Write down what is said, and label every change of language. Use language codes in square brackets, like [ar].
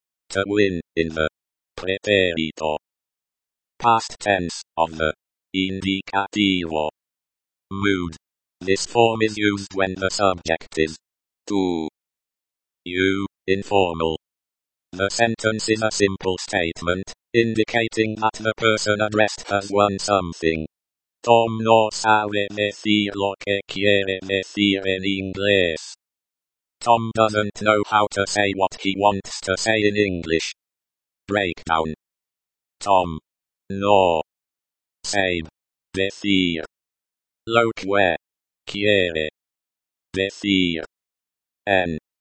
[en] To win, in the pretérito. Past tense, of the indicativo. Mood, this form is used when the subject is, tú, you, informal. The sentence is a simple statement, indicating that the person addressed has won something. [es] Tom no sabe decir lo que quiere decir en inglés. [en] Tom doesn't know how to say what he wants to say in English. Breakdown. [es] Tom. No. [en] Same. [es] Decir. Lo que. Quiere. Decir. En.